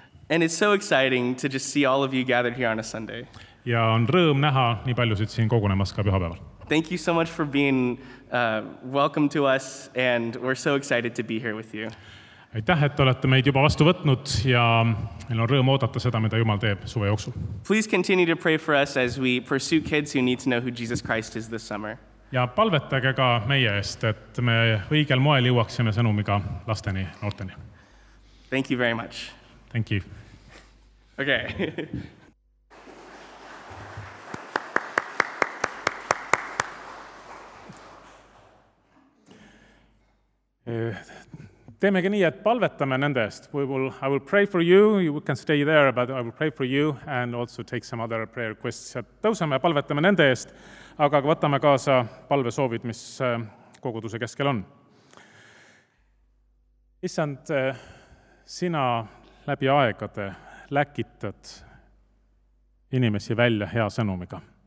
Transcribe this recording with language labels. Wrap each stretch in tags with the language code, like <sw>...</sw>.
<en>And it's so exciting to just see all of you gathered here on a Sunday.</en> <et>Ja on rõõm näha nii paljusid siin kogunemas ka pühapäeval.</et> <en>Thank you so much for being welcome to us and we're so excited to be here with you.</en> <et>Aitäh, et olete meid juba vastu võtnud ja meil on rõõm oodata seda, mida Jumal teeb suve jooksul.</et> <en>Please continue to pray for us as we pursue kids who need to know who Jesus Christ is this summer.</en> <et>Ja palvetage ka meie eest, et me õigel moel jõuaksime sõnumiga lasteni, noorteni.</et> <en>Thank you very much. Thank you. Okay.</en> <et>Teemegi nii, et palvetame nendest.</et> <en>I will pray for you. You can stay there, but I will pray for you and also take some other prayer requests.</en> <et>Tõusame ja palvetame nende eest, aga võtame kaasa palvesoovid, mis koguduse keskel on. Issand, sina läbi aegade läkitad inimesi välja hea sõnumiga.</et>